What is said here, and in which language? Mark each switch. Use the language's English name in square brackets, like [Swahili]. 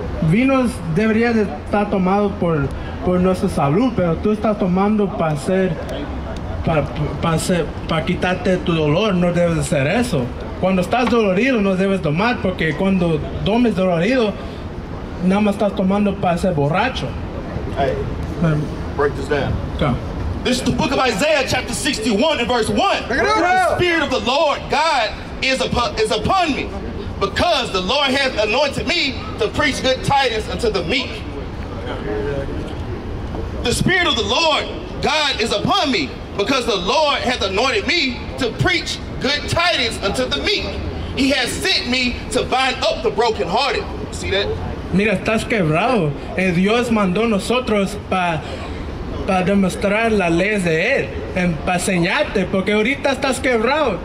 [Spanish] Vinos debería de estar tomado por nuestra salud, pero tú estás tomando para quitarte tu dolor. No debes de ser eso. Cuando estás dolorido, no debes tomar, porque cuando tomes dolorido, nada más estás tomando para ser borracho. [English] Hey, break this down. Okay. This is the book of Isaiah, chapter 61, and verse 1. Bring it up. The Spirit of the Lord God is upon me, because the Lord has anointed me to preach good tidings unto the meek. The Spirit of the Lord God is upon me, because the Lord has anointed me to preach good tidings unto the meek. He has sent me to bind up the brokenhearted. See that? [Spanish] Mira, estás quebrado. El Dios mandó nosotros para demostrar las leyes de él, para enseñarte, porque ahorita estás quebrado.